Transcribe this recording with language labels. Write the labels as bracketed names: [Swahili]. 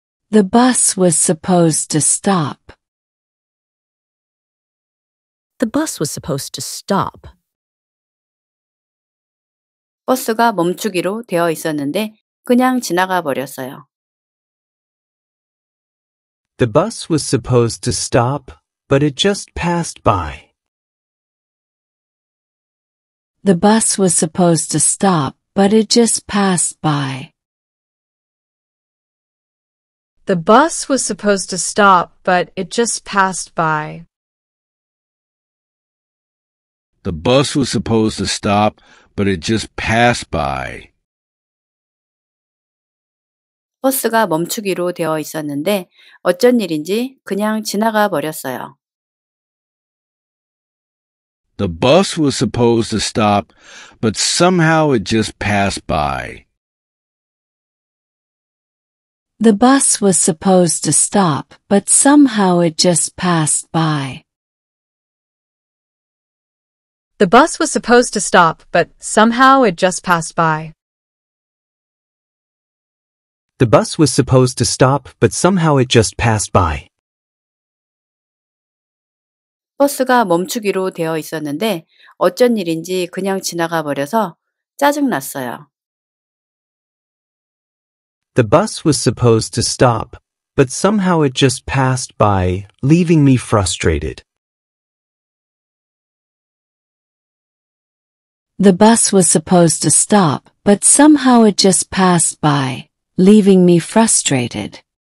[English] The bus was supposed to stop. The bus was supposed to stop. [Korean] 버스가 멈추기로 되어 있었는데 그냥 지나가 버렸어요. [English] The bus was supposed to stop, but it just passed by. The bus was supposed to stop, but it just passed by. The bus was supposed to stop, but it just passed by. The bus was supposed to stop, but it just passed by. [Korean] 버스가 멈추기로 되어 있었는데 어쩐 일인지 그냥 지나가 버렸어요. [English] The bus was supposed to stop, but somehow it just passed by. The bus was supposed to stop, but somehow it just passed by. The bus was supposed to stop, but somehow it just passed by. The bus was supposed to stop, but somehow it just passed by. [Korean] 버스가 멈추기로 되어 있었는데 어쩐 일인지 그냥 지나가 버려서 짜증 났어요. [English] The bus was supposed to stop, but somehow it just passed by, leaving me frustrated. The bus was supposed to stop, but somehow it just passed by, leaving me frustrated.